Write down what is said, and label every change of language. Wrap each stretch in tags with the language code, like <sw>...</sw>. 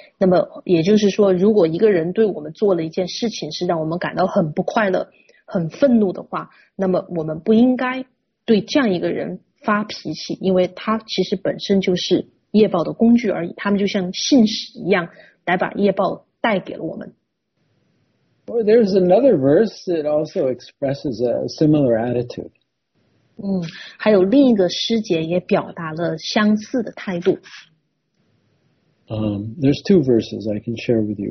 <zh>那么也就是说，如果一个人对我们做了一件事情是让我们感到很不快乐、很愤怒的话，那么我们不应该对这样一个人发脾气，因为他其实本身就是业报的工具而已，他们就像信使一样来把业报带给了我们。</zh> <en>Well, there's another verse that also expresses a similar attitude.</en> <zh>还有另一个诗节也表达了相似的态度。</zh> <en>There's two verses I can share with you.</en>